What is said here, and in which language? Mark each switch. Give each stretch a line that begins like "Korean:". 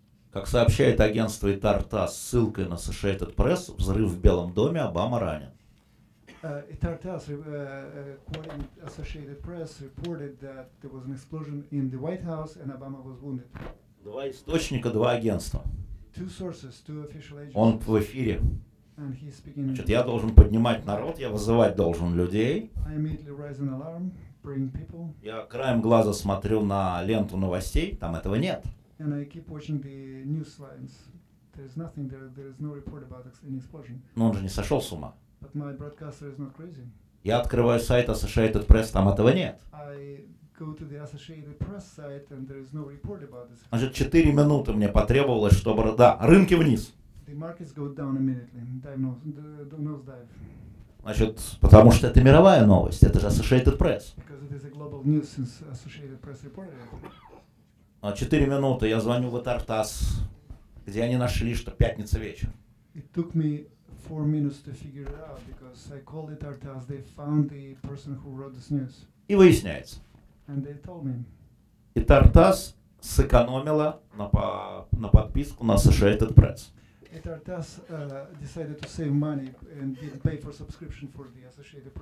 Russian: Как сообщает агентство ИТАР-ТАСС с ссылкой на Associated Press, взрыв в Белом доме, Обама ранен.
English: ИТАР-ТАСС, according to Associated Press, reported that there was an explosion in the White House and Obama was wounded.
Russian: Два источника, два агентства.
English: Two sources, two official agencies.
Russian: Он в эфире.
English: And he's speaking.
Russian: Значит, я должен поднимать народ, я вызывать должен людей.
English: I immediately raise an alarm, bring people.
Russian: Я краем глаза смотрю на ленту новостей, там этого нет.
English: And I keep watching the news lines. There is nothing there. There is no report about an explosion.
Russian: Но он же не сошел с ума.
English: But my broadcaster is not crazy.
Russian: Я открываю сайт Associated Press, там этого нет.
English: I go to the Associated Press site and there is no report about this.
Russian: Значит, 4 минуты мне потребовалось, чтобы... Да, рынки вниз.
English: The markets go down immediately. Nosedive.
Russian: Значит, потому что это мировая новость. Это же Associated Press.
English: Because it is a global news since Associated Press reported it.
Russian: 4 минуты я звоню в ИТАР-ТАСС, где они нашли, что пятница вечер.
English: It took me 4 minutes to figure it out because I called ИТАР-ТАСС, they found the person who wrote this news.
Russian: И выясняется.
English: And they told me.
Russian: ИТАР-ТАСС сэкономила на подписку на Associated Press.
English: ИТАР-ТАСС decided to save money and didn't pay for subscription for the Associated Press.